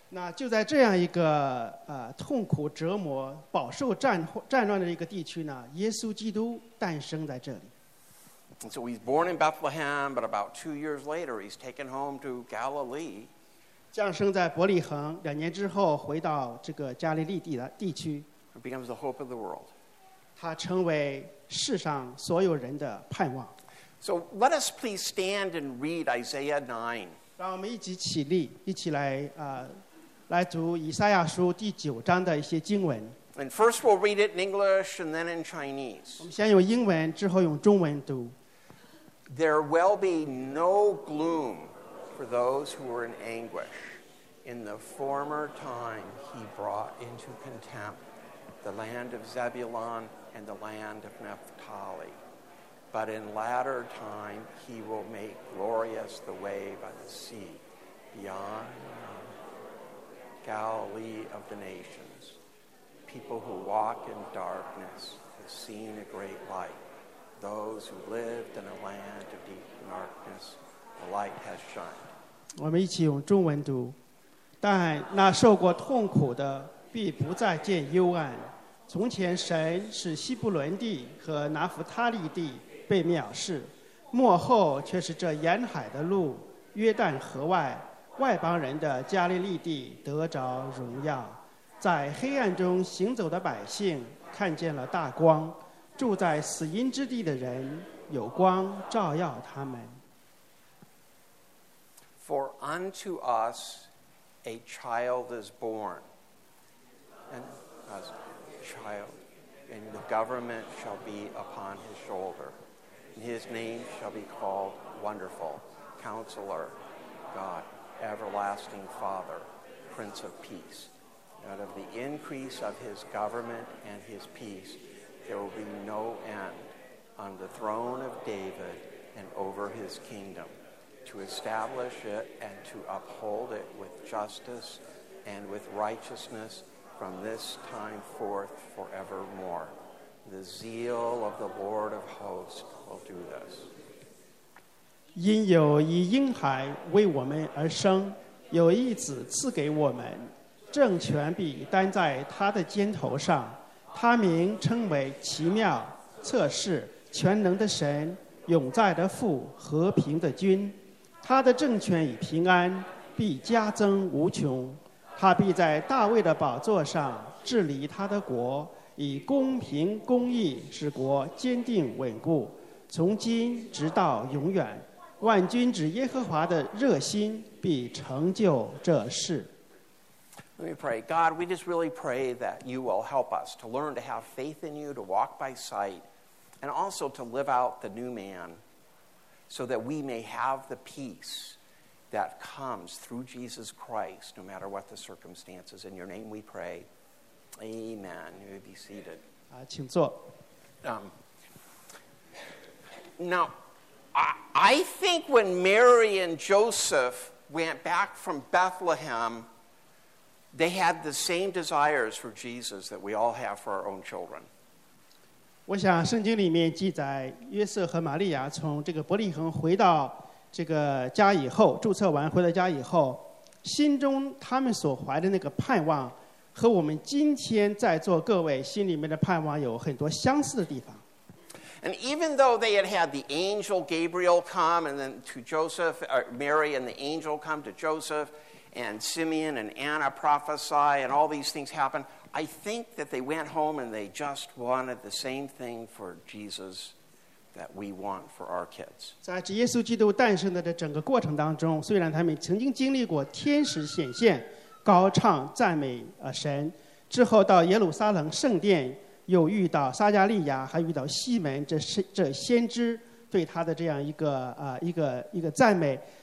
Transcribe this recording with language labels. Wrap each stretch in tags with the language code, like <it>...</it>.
<zh>那就在这样一个痛苦折磨、饱受战乱的一个地区呢，耶稣基督诞生在这里。</zh> <en>And so he's born in Bethlehem, but about 2 years later, he's taken home to Galilee.</en> <zh>降生在伯利恒，两年之后回到这个加利利地区。</zh> <en>He becomes the hope of the world.</en> <zh>他成为世上所有人的盼望。</zh> <en>So let us please stand and read Isaiah 9.</en> <zh>让我们一起起立，一起来来读以赛亚书第九章的一些经文。</zh> <en>And first we'll read it in English and then in Chinese.</en> <zh>我们先用英文，之后用中文读。</zh> <en>There will be no gloom for those who were in anguish. In the former time he brought into contempt the land of Zebulun and the land of Naphtali. But in latter time, he will make glorious the way by the sea, beyond Galilee of the nations. People who walk in darkness have seen a great light. Those who lived in a land of deep darkness, the light has shined.</en> <zh>我们一起用中文读。但那受过痛苦的必不再见幽暗。从前神是西布伦地和拿弗他利地。被藐视，幕后却是这沿海的路，约旦河外，外邦人的加利利地得着荣耀。在黑暗中行走的百姓看见了大光，住在死荫之地的人有光照耀他们。</zh> <en>For unto us a child is born, and a child, and the government shall be upon his shoulder. And his name shall be called Wonderful, Counselor, God, Everlasting Father, Prince of Peace. Out of the increase of his government and his peace, there will be no end on the throne of David and over his kingdom, to establish it and to uphold it with justice and with righteousness from this time forth forevermore. The zeal of the Lord of hosts will do this.</en> <zh>因有一婴孩为我们而生，有一子赐给我们，政权必担在他的肩头上，他名称为奇妙、策士、全能的神、永在的父、和平的君。他的政权与平安必加增无穷，他必在大卫的宝座上治理他的国。以公平公义使国坚定稳固，从今直到永远，万军之耶和华的热心必成就这事。</zh> <en>Let me pray. God, we just really pray that you will help us to learn to have faith in you, to walk by sight, and also to live out the new man so that we may have the peace that comes through Jesus Christ, no matter what the circumstances. In your name we pray. Amen. You may be seated.</en> <zh>请坐。</zh> <en>Now, I think when Mary and Joseph went back from Bethlehem, they had the same desires for Jesus that we all have for our own children.</en> <zh>我想圣经里面记载，约瑟和玛利亚从这个伯利恒回到这个家以后，注册完回到家以后，心中他们所怀的那个盼望。和我们今天在座各位心里面的盼望有很多相似的地方。</zh> <en>And even though they had had the angel Gabriel come and then to Joseph, Mary and the angel come to Joseph, and Simeon and Anna prophesy and all these things happen, I think that they went home and they just wanted the same thing for Jesus that we want for our kids.</en> <zh>在耶稣基督诞生的整个过程当中，虽然他们曾经经历过天使显现，高唱赞美神，之后到耶路撒冷圣殿，又遇到撒加利亚，还遇到西门，这先知对他的这样一个赞美。</zh>